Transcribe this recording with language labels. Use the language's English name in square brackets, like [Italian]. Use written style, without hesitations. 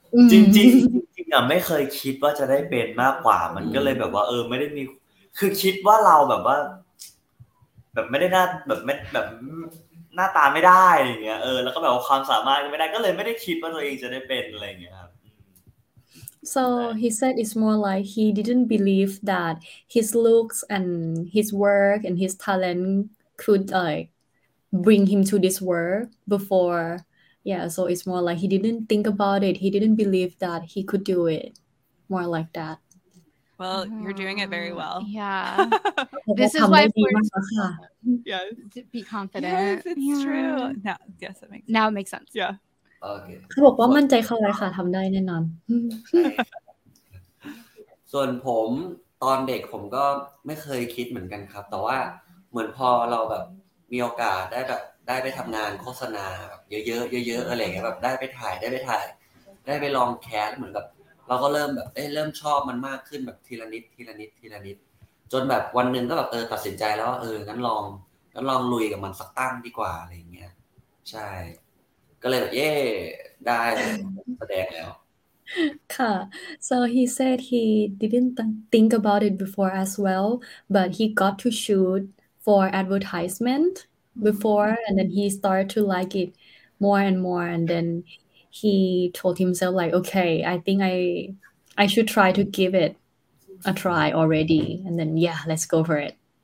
[Thai] จริงจริงอ่ะไม่เคยคิดว่าจะได้เป็นมากกว่ามันก็เลยแบบว่าไม่ได้มีคือคิดว่าเราแบบว่าแบบไม่ได้หน้าแบบไม่แบบหน้าตาไม่ได้อะไรเงี้ยแล้วก็แบบว่าความสามารถก็ไม่ได้ก็เลยไม่ได้คิดว่าตัวเองจะได้เป็นอะไรเงี้ยครับ [English] So he said it's more like he didn't believe that his looks and his work and his talent could like bring him to this work before. Yeah, so it's more like he didn't think about it. He didn't believe that he could do it. More like that. Well, you're doing it very well. Yeah. This is why we're... Yes. Be confident. Yes, it's true. Now, yes, it makes sense. Now it makes sense. Yeah. [Thai] โอเค เขาบอกว่ามั่นใจเข้าไว้ค่ะทำได้แน่นอน ส่วนผมตอนเด็กผมก็ไม่เคยคิดเหมือนกันครับแต่ว่าเหมือนพอเราแบบมีโอกาสได้แบบได้ไปทำงานโฆษณาแบบเยอะๆเยอะๆอะไรเงี้ยแบบได้ไปถ่ายได้ไปถ่ายได้ไปลองแคสเหมือนแบบเราก็เริ่มแบบเริ่มชอบมันมากขึ้นแบบทีละนิดทีละนิดทีละนิดจนแบบวันนึงก็แบบตัดสินใจแล้วว่างั้นลองลุยกับมันสักตั้งดีกว่าอะไรเงี้ยใช่ก็เลยแบบเย่ได้แสดงแล้ว [English] ค่ะ so he said he didn't think about it before as well but he got to shoot for advertisement before and then he started to like it more and more and then he told himself like okay I think I should try to give it a try already and then yeah let's go for it